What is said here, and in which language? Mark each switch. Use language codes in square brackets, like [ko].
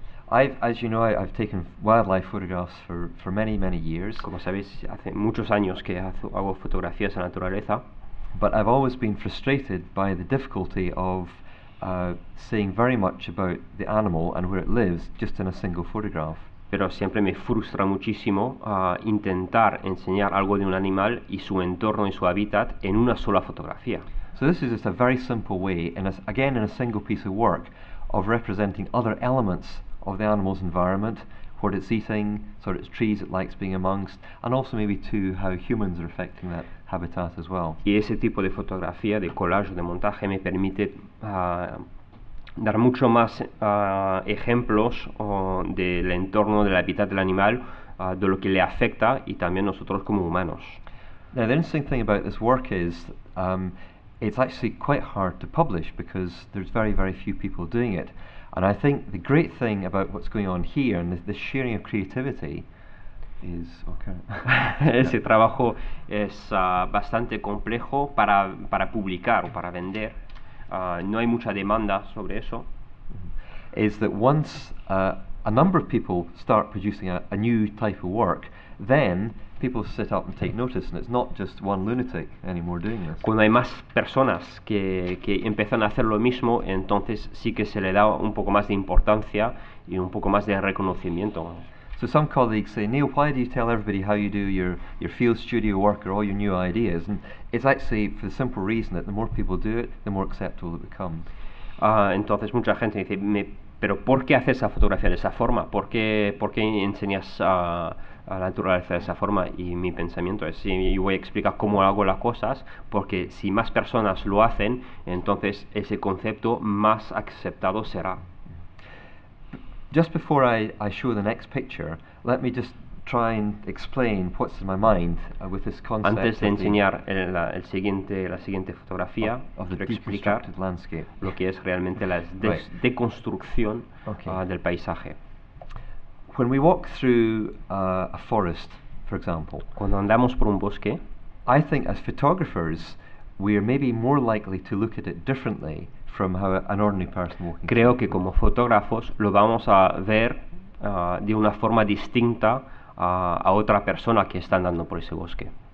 [en] As you know, I've taken wildlife photographs for many, many years. [es] Como sabéis, hace muchos años que hago fotografías de la naturaleza. [en] But I've always been frustrated by the difficulty of saying very much about the animal and where it lives just in a single photograph. [es] Pero siempre me frustra muchísimo intentar enseñar algo de un animal y su entorno y su hábitat en una sola fotografía. [en] So this is just a very simple way, and again in a single piece of work, of representing other elements of the animal's environment, what it's eating, sort of its trees it likes being amongst, and also maybe too how humans are affecting that habitat as well. [es] Y ese tipo de fotografía, de collage o de montaje me permite dar mucho más ejemplos del entorno, del hábitat del animal, de lo que le afecta y también nosotros como humanos. [en] Now the interesting thing about this work is it's actually quite hard to publish because there's very, very few people doing it. And I think the great thing about what's going on here and the sharing of creativity is okay. [es] Ese trabajo es bastante complejo para publicar o para vender. No hay mucha demanda sobre eso. Mm-hmm. [en] Is that once a number of people start producing a new type of work, then people sit up and take notice, and it's not just one lunatic anymore doing this. [es] Cuando hay más personas que empiezan a hacer lo mismo, entonces sí que se le da un poco más de importancia y un poco más de reconocimiento. [en] So some colleagues say, Neil, why do you tell everybody how you do your field studio work or all your new ideas? And it's actually for the simple reason that the more people do it, the more acceptable it becomes. [es] Entonces mucha gente dice, pero ¿por qué haces esa fotografía de esa forma? ¿Por qué enseñas a la naturaleza de esa forma? Y mi pensamiento es, y voy a explicar cómo hago las cosas, porque si más personas lo hacen, entonces ese concepto más aceptado será. [en] Just before I show the next picture, let me just try and explain what's in my mind with this concept. [es] Antes de enseñar la siguiente fotografía, quiero explicar landscape. Lo que es realmente la deconstrucción del paisaje. [en] When we walk through a forest, for example, [es] cuando andamos por un bosque, [en] I think as photographers, we are maybe more likely to look at it differently from how an ordinary person walking. [es] Creo que como fotógrafos lo vamos a ver de una forma distinta a otra persona que está andando por ese bosque.